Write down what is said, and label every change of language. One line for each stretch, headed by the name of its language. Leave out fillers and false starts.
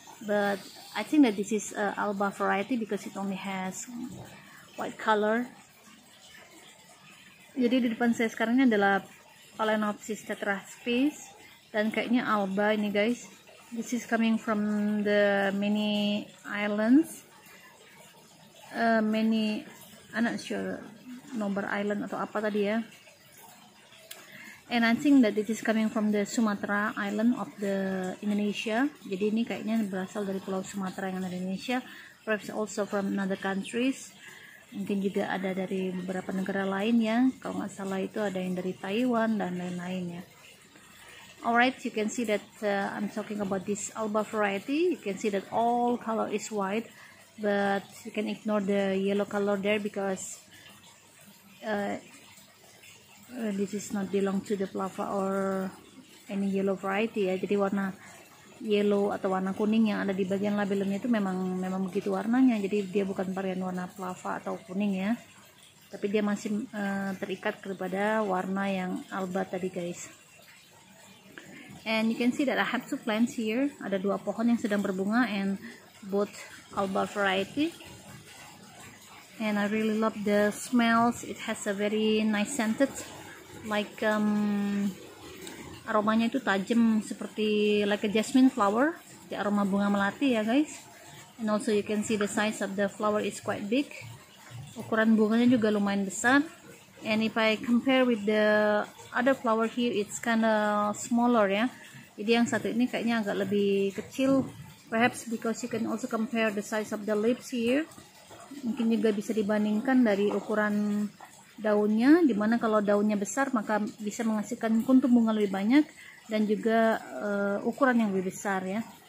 English: But I think that this is alba variety because it only has white color.
Indonesian: Jadi di depan saya sekarang ini adalah Phalaenopsis Tetraspis dan kayaknya alba ini, guys.
English: This is coming from the many islands. Many, I'm not sure number island
Indonesian: atau apa tadi ya.
English: And I think that this is coming from the Sumatra island of the Indonesia.
Indonesian: Jadi ini kayaknya berasal dari pulau Sumatera yang ada di Indonesia.
English: Perhaps also from other countries.
Indonesian: Mungkin juga ada dari beberapa negara lain ya. Kalau nggak salah itu ada yang dari Taiwan dan lain-lain ya.
English: Alright, you can see that I'm talking about this alba variety. You can see that all color is white, but you can ignore the yellow color there because this is not belong to the plava or any yellow variety ya.
Indonesian: Jadi warna yellow atau warna kuning yang ada di bagian labelnya itu memang begitu warnanya. Jadi dia bukan varian warna plava atau kuning ya. Tapi dia masih terikat kepada warna yang alba tadi, guys.
English: And you can see that I have two plants here.
Indonesian: Ada dua pohon yang sedang berbunga
English: and both alba variety. And I really love the smells. It has a very nice scented, like
Indonesian: aromanya itu tajam seperti
English: like a jasmine flower, the aroma
Indonesian: bunga melati ya,
English: guys. And also you can see the size of the flower is quite big.
Indonesian: Ukuran bunganya juga lumayan besar.
English: And if I compare with the other flower here, it's kinda smaller ya.
Indonesian: Jadi yang satu ini kayaknya agak lebih kecil.
English: Perhaps because you can also compare the size of the leaves here.
Indonesian: Mungkin juga bisa dibandingkan dari ukuran daunnya, dimana kalau daunnya besar maka bisa menghasilkan kuntum bunga lebih banyak dan juga ukuran yang lebih besar ya.